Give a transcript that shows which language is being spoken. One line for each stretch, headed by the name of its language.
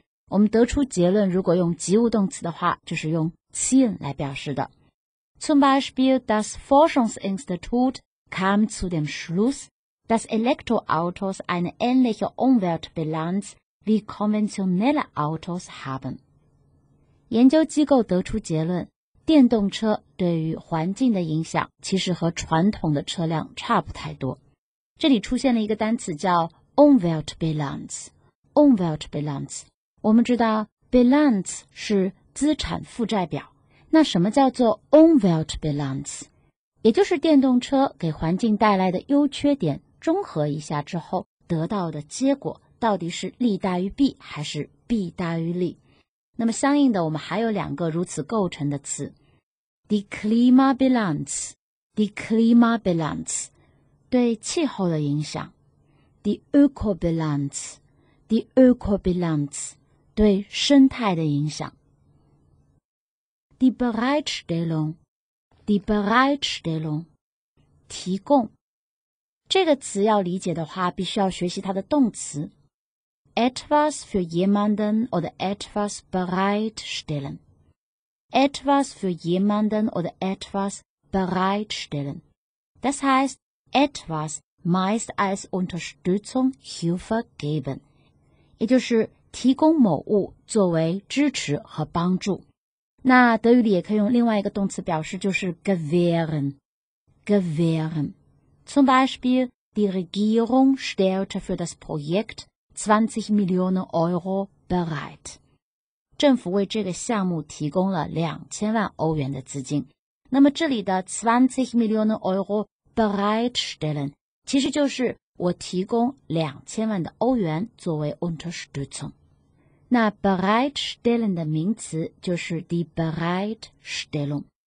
Chinese: 我们得出结论，如果用及物动词的话，就是用 ziehen 来表示的。
German: Zum Beispiel, das Forschungsinstitut kam zu dem Schluss, dass Elektroautos eine ähnliche Umweltbilanz wie konventionelle Autos haben.
Chinese: 研究机构得出结论。电动车对于环境的影响其实和传统的车辆差不太多。这里出现了一个单词叫 Umweltbilanz。我们知道 Bilanz 是资产负债表。那什么叫做 Umweltbilanz？ 也就是电动车给环境带来的优缺点综合一下之后得到的结果到底是利大于弊还是弊大于利。那么相应的我们还有两个如此构成的词。Die Klimabilanz, 对气候的影响。 Die Ökobilanz, 对生态的影响。
German: Die Bereitstellung,
Chinese: 提供。这个词要理解的话必须要学习它的动词。
German: Etwas für jemanden oder etwas bereitstellen. Etwas für jemanden oder etwas bereitstellen. Das heißt, etwas meist als Unterstützung Hilfe geben.
Chinese: 也就是提供某物作为支持和帮助。那德语里也可以用另外一个动词表示，就是 gewähren.
German: Zum Beispiel, die Regierung stellte für das Projekt 20 Millionen Euro bereit.
Chinese: 政府为这个项目提供了2000万欧元的资金。那么这里的
German: 20 Millionen Euro bereitstellen,
Chinese: 其实就是我提供2000万的欧元作为 Unterstützung。那 bereitstellen 的名词就是 die Bereitstellung。